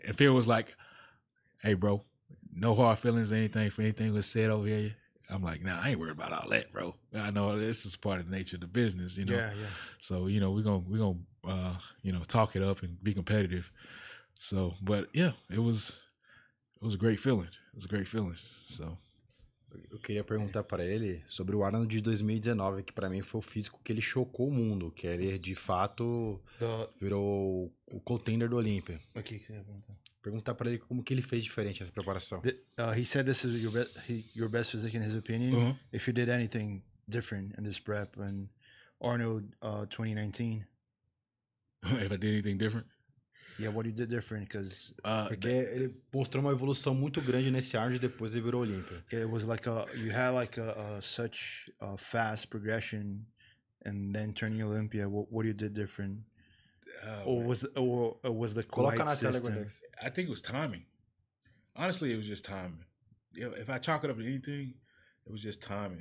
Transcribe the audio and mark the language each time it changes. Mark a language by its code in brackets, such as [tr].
[en] And Phil was like, hey bro, no hard feelings or anything for anything was said over here. I'm like, nah, I ain't worried about all that, bro. I know this is part of the nature of the business, you know. Yeah, yeah. So, you know, we're gonna talk it up and be competitive. So, but yeah, it was a great feeling. So, [pt] eu queria perguntar para ele sobre o Arnold de 2019, que para mim foi o físico que ele chocou o mundo, que ele de fato virou o contender do Olympia. O que você ia perguntar? Perguntar para ele como que ele fez diferente nessa preparação. [en] He said this is your best physique in his opinion. Uh-huh. If you did anything different in this prep and Arnold 2019. If I did anything different? Yeah, what you did different? [pt] Porque ele mostrou uma evolução muito grande nesse Arnold e depois ele virou Olympia. [en] It was like you had like a such a fast progression and then turning Olympia. What you did different? Or was the quiet system? I think it was timing. Honestly, it was just timing. If I chalk it up to anything, it was just timing.